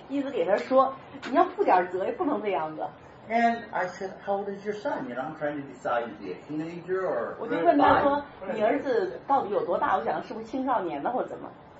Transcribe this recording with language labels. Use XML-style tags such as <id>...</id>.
<zh>一直给他说，你要负点责，不能这样子。</zh> <en>And I said, "How old is your son?" You know, I'm trying to decide to be a teenager or.</en> <zh>我就问他说，你儿子到底有多大？我想是不是青少年呢，或怎么</zh>